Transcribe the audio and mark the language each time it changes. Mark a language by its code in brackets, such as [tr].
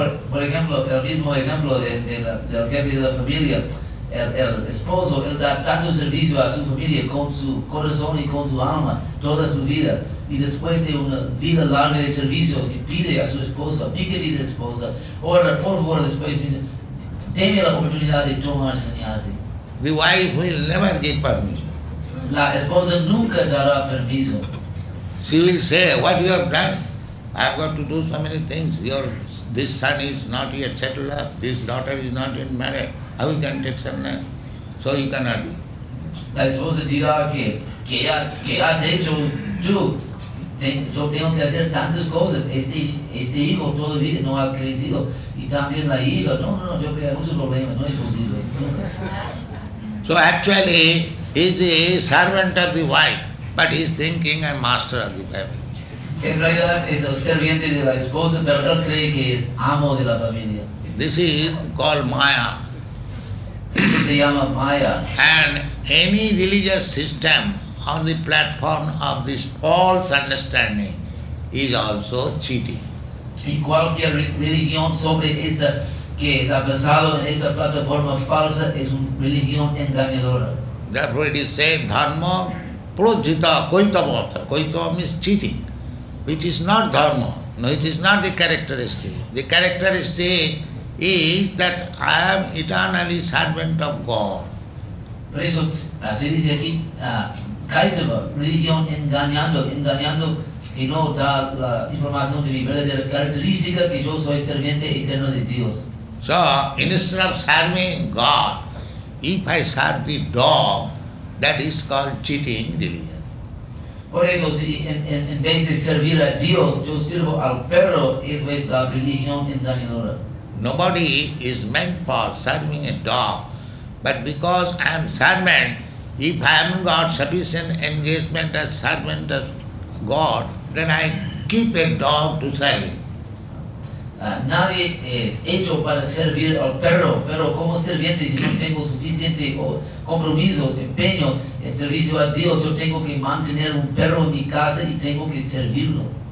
[es] Por ejemplo, el mismo ejemplo del jefe de la familia, el esposo, él da tanto servicio a su familia con su corazón y con su alma, toda su vida, y después de una vida larga de servicios, y pide a su esposa, mi querida esposa, ahora, por favor, después, déme la oportunidad de tomar sannyasi. [en] The wife will never give permission. [es] La esposa nunca dará permiso. [en] She will say, what you have done? I have got to do so many things. This son is not yet settled up. This daughter is not yet married. How you can take sannyas? So you cannot do. [es] La esposa dirá que has hecho tú. Yo tengo que hacer tantas cosas. Este hijo todavía no ha crecido. Y también la hija. No, yo creo que hay muchos problemas. No es posible. [en] So actually, he is a servant of the wife, but he is thinking a master of the family. [es] En realidad es el serviente de la esposa, pero él cree que es amo de la familia. [en] This is called maya. [es] Esto se llama maya. [en] And any religious system on the platform of this false understanding is also cheating. [es] Y cualquier religión sobre esta que está basado en esta plataforma falsa es una religión engañadora. [en] Therefore it is said, dharma prochita koitavata. Koitavata means cheating, which is not dharma. No, it is not the characteristic. The characteristic is that I am eternally servant of God. [es] Por eso se dice aquí, kaitava, religión engañando, que no da la información de mi verdadera característica, que yo soy serviente eterno de Dios. [en] So, instead of serving God, if I serve the dog, that is called cheating religion. [es] Por eso, si en vez de servir a Dios, yo sirvo al perro, eso es la religión engañadora. [en] Nobody is meant for serving a dog, but because I am servant, if I haven't got sufficient engagement as servant of God, then I keep a dog to serve him. [es] Nadie es hecho para servir al perro, pero como sirviente, si no tengo suficiente compromiso, empeño en servicio a Dios, yo tengo que mantener un perro en mi casa y tengo que servirlo.